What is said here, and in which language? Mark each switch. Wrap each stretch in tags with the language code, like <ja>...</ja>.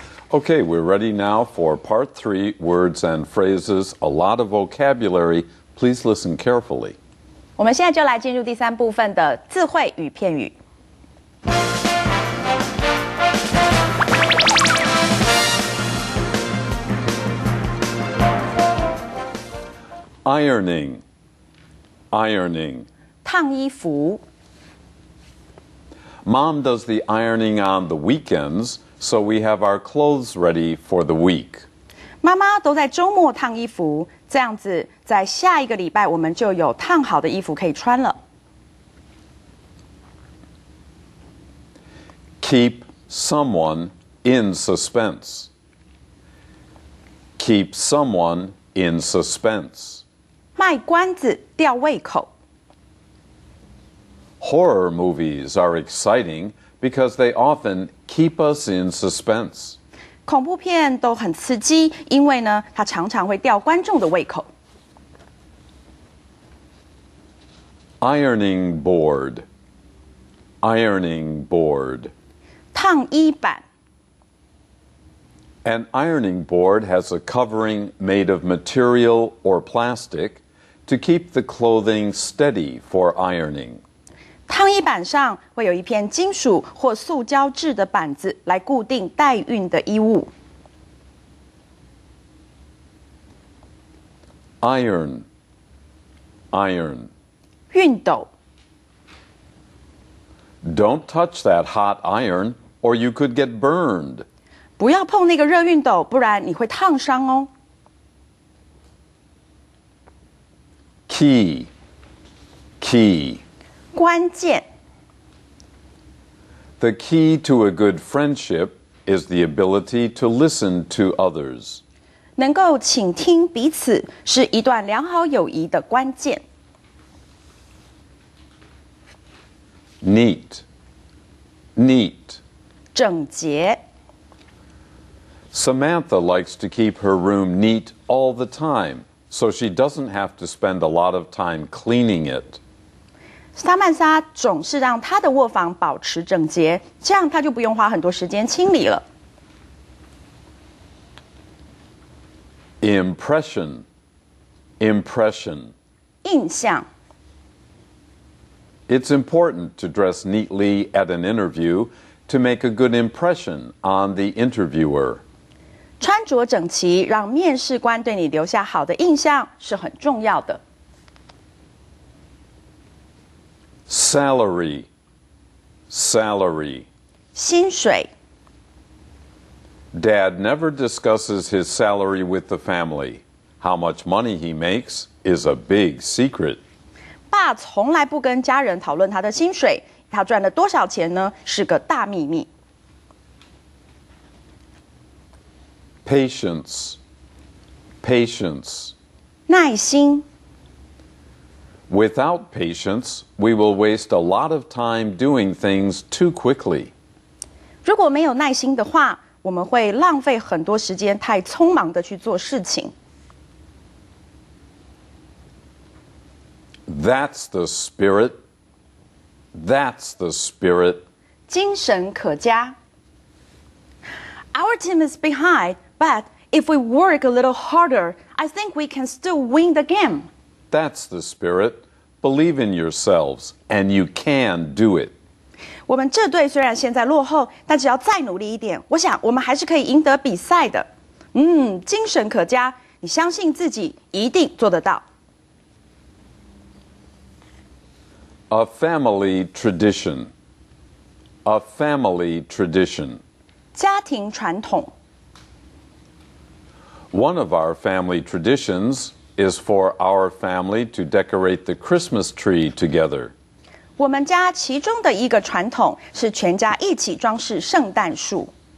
<en>Okay, we're ready now for part three, words and phrases, a lot of vocabulary. Please listen carefully.</en> <zh>我们现在就来进入第三部分的字汇与片语。</zh> <en>Ironing, ironing.</en> <zh>烫衣服。</zh> <en>Mom does the ironing on the weekends, so we have our clothes ready for the week.</en> <zh>妈妈都在周末烫衣服，这样子在下一个礼拜我们就有烫好的衣服可以穿了。</zh> <en>Keep someone in suspense. Keep someone in suspense.</en> <zh>卖关子，吊胃口。</zh> <en>Horror movies are exciting because they often keep us in suspense.</en> <zh>恐怖片都很刺激，因为呢，它常常会吊观众的胃口。</zh> <en>Ironing board, ironing board,</en> <zh>烫衣板。</zh> <en>An ironing board has a covering made of material or plastic to keep the clothing steady for ironing.</en> <zh>烫衣板上会有一片金属或塑胶制的板子来固定待熨的衣物。</zh> <en>Iron, iron.</en> <zh>熨斗</zh> <en>Don't touch that hot iron, or you could get burned.</en> <zh>不要碰那个热熨斗，不然你会烫伤哦。</zh> <en>Key, key.</en> <zh>关键</zh> <en>The key to a good friendship is the ability to listen to others.</en> <zh>能够倾听彼此是一段良好友谊的关键。</zh> <en>Neat, neat.</en> <zh>整洁。</zh> <en>Samantha likes to keep her room neat all the time, so she doesn't have to spend a lot of time cleaning it.</en> <zh>萨曼莎总是让她的卧房保持整洁，这样她就不用花很多时间清理了。</zh> <en>Impression, impression.</en> <zh>印象</zh> <en>It's important to dress neatly at an interview to make a good impression on the interviewer.</en> <zh>穿着整齐让面试官对你留下好的印象是很重要的。</zh> <en>Salary, salary.</en> <zh>薪水</zh> <en>Dad never discusses his salary with the family. How much money he makes is a big secret.</en> <zh>爸从来不跟家人讨论他的薪水，他赚了多少钱呢？是个大秘密。</zh> <en>Patience, patience.</en> <zh>耐心。</zh> <en>Without patience, we will waste a lot of time doing things too quickly.</en> <zh>如果没有耐心的话，我们会浪费很多时间，太匆忙地去做事情。</zh> <en>That's the spirit. That's the spirit.</en> <zh>精神可嘉。</zh> <en>Our team is behind, but if we work a little harder, I think we can still win the game. That's the spirit. Believe in yourselves, and you can do it.</en> <zh>我们这队虽然现在落后，但只要再努力一点，我想我们还是可以赢得比赛的。嗯，精神可嘉，你相信自己一定做得到。</zh> <en>A family tradition. A family tradition.</en> <zh>家庭传统。</zh> <en>One of our family traditions is for our family to decorate the Christmas tree together.</en> <zh>我们家其中的一个传统是全家一起装饰圣诞树。</zh>